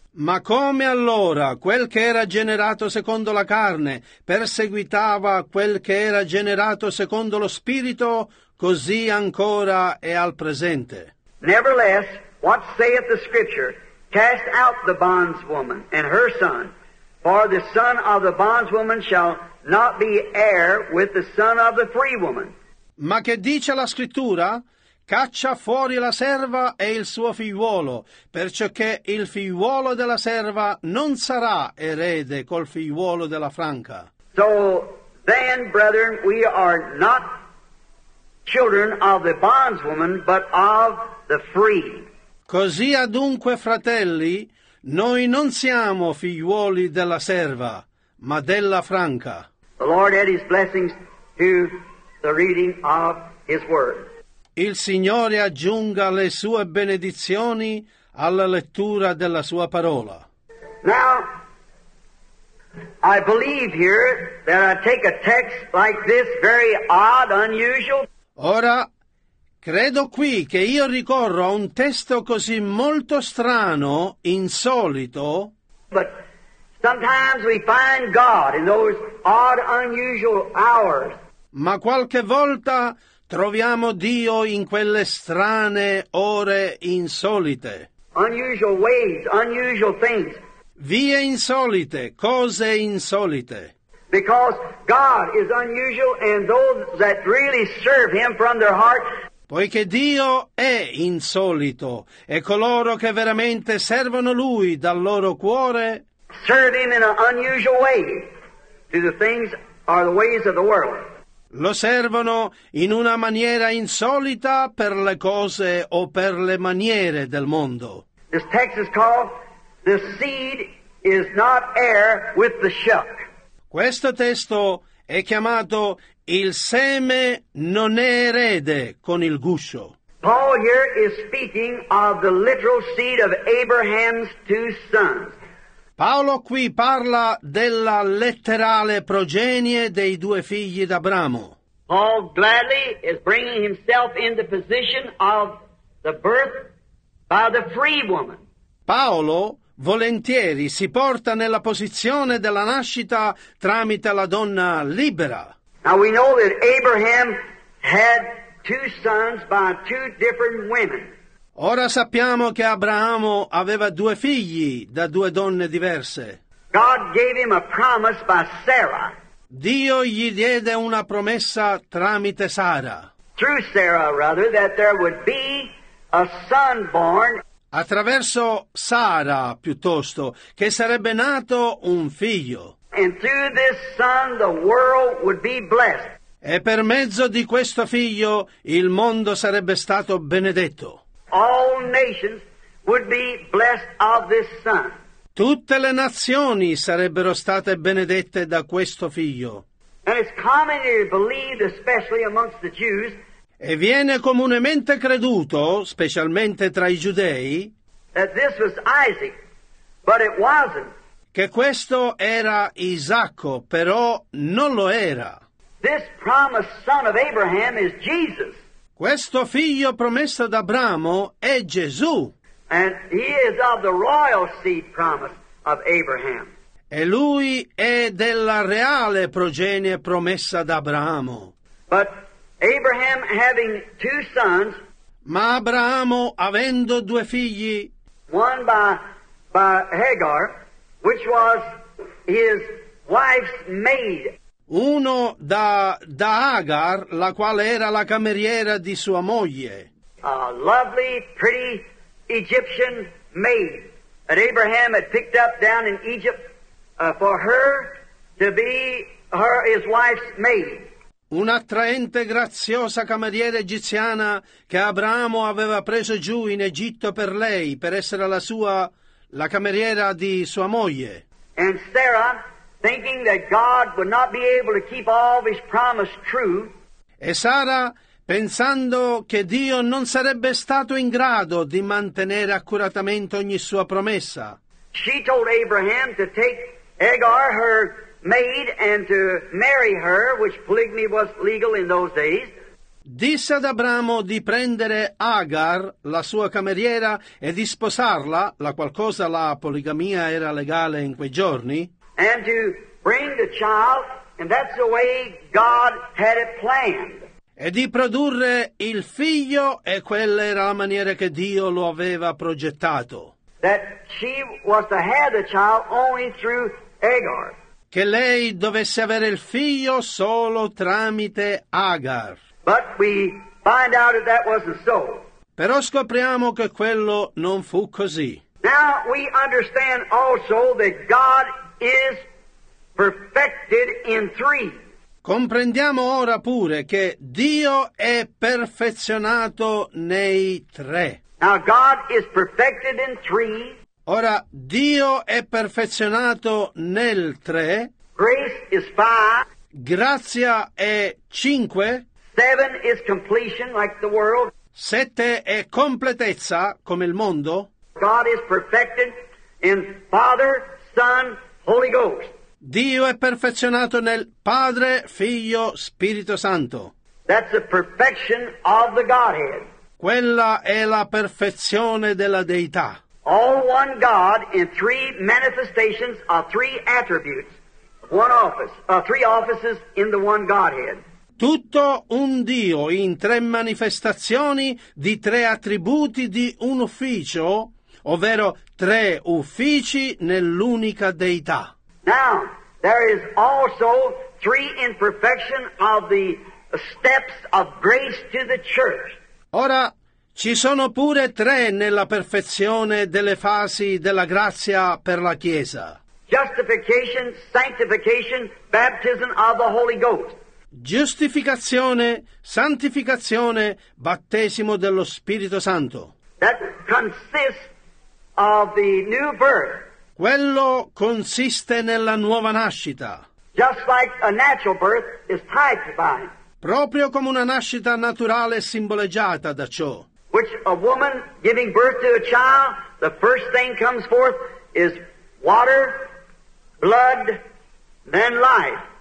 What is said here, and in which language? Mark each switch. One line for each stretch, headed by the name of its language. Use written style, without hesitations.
Italian: Ma come allora quel che era generato secondo la carne perseguitava quel che era generato secondo lo spirito, così ancora è al presente.
English: Nevertheless, what saith the scripture? Cast out the bondswoman and her son, for the son of the bondswoman shall not be heir with the son of the free woman.
Italian: Ma che dice la scrittura? Caccia fuori la serva e il suo figliuolo, perciò che il figliuolo della serva non sarà erede col figliuolo della franca.
English: So then, brethren, we are not children of the bondswoman, but of the free.
Italian: Così adunque, fratelli, noi non siamo figliuoli della serva, ma della franca.
English: The Lord add his blessings to the reading of his word.
Italian: Il Signore aggiunga le sue benedizioni alla lettura della sua parola.
English: Now, I believe here that I take a text like this, very odd, unusual.
Italian: Ora, credo qui che io ricorro a un testo così molto strano, insolito.
English: But sometimes we find God in those odd, unusual hours.
Italian: Ma qualche volta troviamo Dio in quelle strane ore insolite.
English: Unusual ways, unusual things.
Italian: Vie insolite, cose insolite.
English: Because God is unusual, and those that really serve Him from their heart.
Italian: Poiché Dio è insolito, e coloro che veramente servono Lui dal loro cuore.
English: Serve Him in an unusual way to the things or the ways of the world.
Italian: Lo servono in una maniera insolita per le cose o per le maniere del mondo.
English: This text is called "The Seed Is Not Heir with the Shuck."
Italian: Questo testo è chiamato il seme non è erede con il guscio.
English: Paul here is speaking of the literal seed of Abraham's two sons.
Italian: Paolo qui parla della letterale progenie dei due figli d'Abramo.
English: Paul gladly is bringing himself in the position of the birth by the free woman.
Italian: Paolo volentieri si porta nella posizione della nascita tramite la donna libera.
English: Now we know that Abraham had two sons by two different women.
Italian: Ora sappiamo che Abramo aveva due figli da due donne diverse.
English: God gave him a promise by Sarah.
Italian: Dio gli diede una promessa tramite Sara.
English: Through Sarah, rather, that there would be a son born.
Italian: Attraverso Sara, piuttosto, che sarebbe nato un figlio.
English: And through this son, the world would be blessed.
Italian: E per mezzo di questo figlio il mondo sarebbe stato benedetto.
English: All nations would be blessed of this son.
Italian: Tutte le nazioni sarebbero state benedette da questo figlio.
English: And it's commonly believed, especially amongst the Jews,
Italian: e viene comunemente creduto, specialmente tra i giudei,
English: that this was Isaac, but it wasn't.
Italian: Che questo era Isacco, però non lo era.
English: This promised son of Abraham is Jesus.
Italian: Questo figlio promesso da Abramo è Gesù.
English: And he is of the royal seed promise of Abraham.
Italian: E lui è della reale progenie promessa da Abramo.
English: But Abraham having two sons,
Italian: ma Abramo avendo due figli,
English: one by Hagar, which was his wife's maid.
Italian: Uno da Agar, la quale era la cameriera di sua moglie.
English: A lovely, pretty Egyptian maid that Abraham had picked up down in Egypt for her to be his wife's maid.
Italian: Un'attraente, graziosa cameriera egiziana che Abramo aveva preso giù in Egitto per lei, per essere la sua, la cameriera di sua moglie.
English: And Sarah, thinking that God would not be able to keep all his promise true.
Italian: E Sara, pensando che Dio non sarebbe stato in grado di mantenere accuratamente ogni sua promessa.
English: She told Abraham to take Hagar, her maid, and to marry her, which polygamy was legal in those days.
Italian: Disse ad Abramo di prendere Agar, la sua cameriera, e di sposarla, la qualcosa la poligamia era legale in quei giorni.
English: And to bring the child, and that's the way God had it planned.
Italian: E di produrre il figlio, e quella era la maniera che Dio lo aveva progettato.
English: That she was to have the child only through Agar.
Italian: Che lei dovesse avere il figlio solo tramite Agar.
English: But we find out that that wasn't so.
Italian: Però scopriamo che quello non fu così.
English: Now we understand also that God is perfected in three.
Italian: Comprendiamo ora pure che Dio è perfezionato nei tre.
English: Now God is perfected in three.
Italian: Ora Dio è perfezionato nel tre.
English: Grace is five.
Italian: Grazia è cinque.
English: Seven is completion, like the world.
Italian: Sette è completezza, come il mondo.
English: God is perfected in Father, Son, Holy Ghost.
Italian: Dio è perfezionato nel Padre, Figlio, Spirito Santo.
English: That's the perfection of the Godhead.
Italian: Quella è la perfezione della Deità.
English: All one God in three manifestations of three attributes, one office, three offices in the one Godhead.
Italian: Tutto un Dio in tre manifestazioni di tre attributi di un ufficio, ovvero tre uffici nell'unica Deità.
English: Now, there is also three imperfection of the steps of grace to the church.
Italian: Ora, ci sono pure tre nella perfezione delle fasi della grazia per la Chiesa.
English: Justification, sanctification, baptism of the Holy Ghost.
Italian: Giustificazione, santificazione, battesimo dello Spirito Santo.
English: That consists of the new birth.
Italian: Quello consiste nella nuova nascita.
English: Just like a natural birth is tied to vine.
Italian: Proprio come una nascita naturale simboleggiata da ciò.
English: Which a woman giving birth to a child, the first thing comes forth is water, blood, then life.